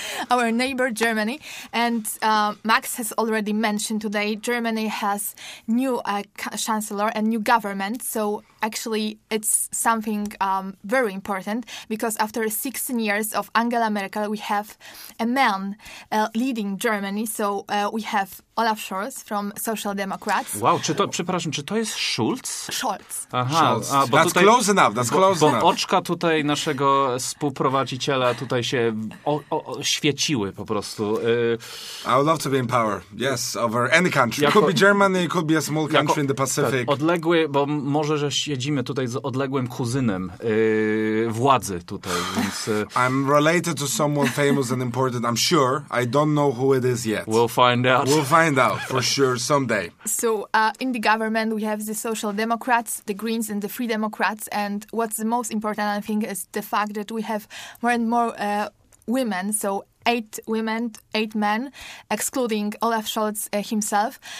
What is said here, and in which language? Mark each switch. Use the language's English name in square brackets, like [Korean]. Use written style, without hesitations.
[English] our neighbor Germany, and Max has already mentioned today Germany has new chancellor and new government. So actually, it's something very important because after 16 years of Angela Merkel, we have a man leading Germany. So we have Olaf Scholz from Social Democrats. [Polish] Wow, czy to, przepraszam, czy to jest Schulz? [English] Scholz. Aha, Scholz. A, that's [Polish] tutaj, [English] close enough, that's close [Polish] bo, [English] enough. [Polish] Bo oczka tutaj naszego współprowadziciela tutaj się świeciły po prostu. [English] I would love to be in power, yes, over any country. Jako, could be Germany, could be a small country jako, in the Pacific. [Polish] Tak, odległy, bo może, że siedzimy tutaj z odległym kuzynem władzy tutaj, więc... [English] I'm related to someone famous and important, I'm sure. I don't know who it is yet. We'll find out. We'll find out, for sure, someday. So, in the government, we have the Social Democrats, the Greens and the Free Democrats, and what's the most important, I think, is the fact that we have more and more women, so 8 women, 8 men, excluding Olaf Scholz himself.